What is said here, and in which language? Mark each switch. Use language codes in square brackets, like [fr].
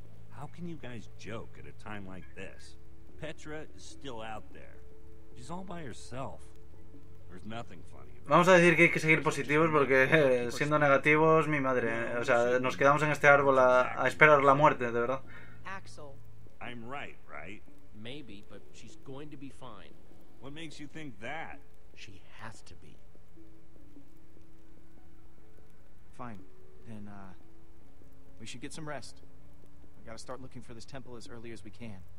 [en] How can you guys joke at a time like this? Petra is still out there. She's all by herself. There's nothing funny. [es] Vamos a decir que hay que seguir positivos porque siendo negativos, mi madre, o sea, nos quedamos en este árbol a esperar la muerte, de verdad. [en] Axel, I'm right, right? Maybe, but she's going to be fine. What makes you think that? She has to be. Fine. Then we should get some rest. We gotta start looking for this temple as early as we can.